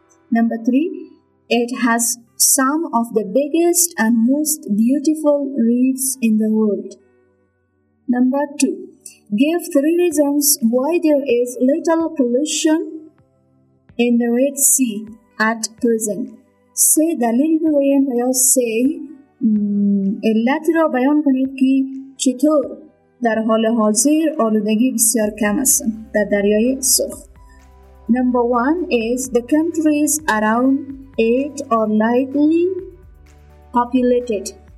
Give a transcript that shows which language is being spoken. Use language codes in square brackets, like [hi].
[en] Number three, it has some of the biggest and most beautiful reefs in the world. Number two, give three reasons why there is little pollution in the Red Sea at present. [fa] سه دلیل بگویم و یا سه علت را بیان کنید که چطور در حال حاضر آلودگی بسیار کم است در دریای سرخ. [en] Number one is the countries around it are lightly populated.